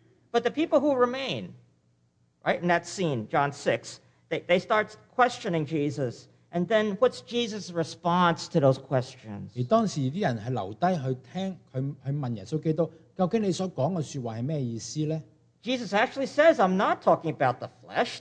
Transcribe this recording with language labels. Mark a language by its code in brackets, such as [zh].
[en] but the people who remain, right, in that scene, John 6, they start questioning Jesus. And then what's Jesus' response to those questions? [zh] 而當時人留下去聽,去問耶穌基督,究竟你所說的話是什麼意思呢? [en] Jesus actually says, I'm not talking about the flesh.